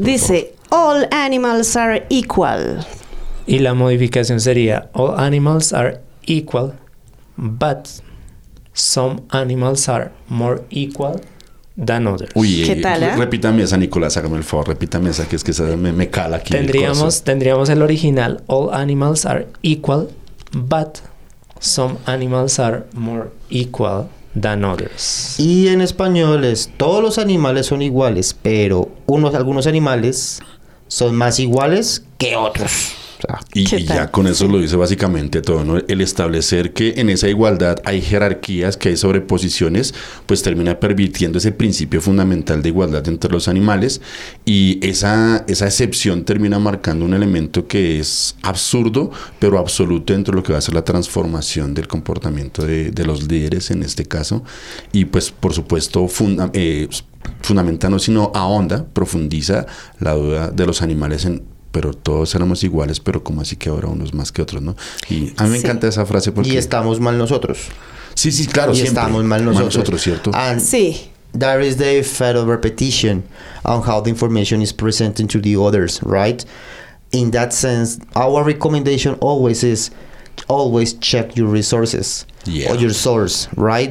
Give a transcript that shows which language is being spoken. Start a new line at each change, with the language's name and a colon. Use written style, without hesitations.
Spanish: Dice,
English: all animals are equal.
Spanish: Y la modificación sería,
English: all animals are equal, but some animals are more equal than others.
Spanish: Uy, ¿qué tal? Repítame esa, Nicolás, hágame el favor, repítame esa, que es que me cala aquí. Tendríamos el original, all animals are equal, but some animals are more equal than others. Y en español es, todos los animales son iguales, pero algunos animales son más iguales que otros. Y ya con eso lo dice básicamente todo, ¿no? El establecer que en esa igualdad hay jerarquías, que hay sobreposiciones, pues termina pervirtiendo ese principio fundamental de igualdad entre los animales, y esa excepción termina marcando un elemento que es absurdo, pero absoluto dentro de lo que va a ser la transformación del comportamiento de los líderes en este caso, y pues por supuesto fundamenta no, sino ahonda, profundiza la duda de los animales en... Pero todos éramos iguales, pero como así que ahora unos más que otros, ¿no? Y a mí me encanta esa frase porque... Y estamos mal nosotros. Sí, sí, claro, y siempre. Y estamos mal nosotros. ¿Cierto?
English: And
Spanish: sí.
English: There is the effect of repetition on how the information is presented to the others, right? In that sense, our recommendation always is, always check your resources. Yeah. Or your source, right?